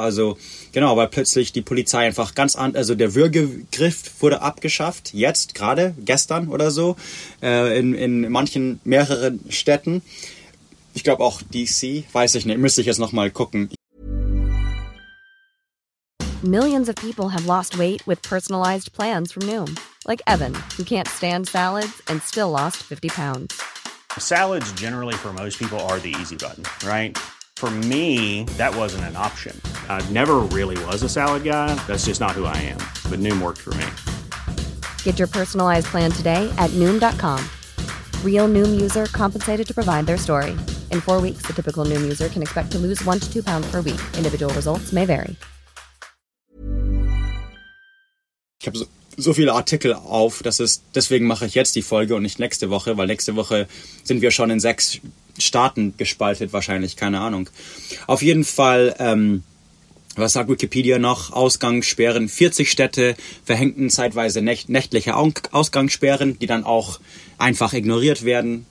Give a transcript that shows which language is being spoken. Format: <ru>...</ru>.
<de>Also genau, weil plötzlich die Polizei einfach ganz anders, also der Würgegriff wurde abgeschafft, jetzt gerade, gestern oder so, in manchen mehreren Städten. Ich glaube auch DC, weiß ich nicht, müsste ich jetzt nochmal gucken.</de> <en>Millions of people have lost weight with personalized plans from Noom. Like Evan, who can't stand salads and still lost 50 pounds. Salads, generally for most people, are the easy button, right? For me, that wasn't an option. I never really was a salad guy. That's just not who I am. But Noom worked for me. Get your personalized plan today at Noom.com. Real Noom user compensated to provide their story. In 4 weeks, the typical Noom user can expect to lose 1 to 2 pounds per week. Individual results may vary.</en> <de>Ich habe so viele Artikel auf, deswegen mache ich jetzt die Folge und nicht nächste Woche, weil nächste Woche sind wir schon in 6 Staaten gespaltet wahrscheinlich, keine Ahnung. Auf jeden Fall, was sagt Wikipedia noch? Ausgangssperren, 40 Städte verhängten zeitweise nächtliche Ausgangssperren, die dann auch einfach ignoriert werden.</de>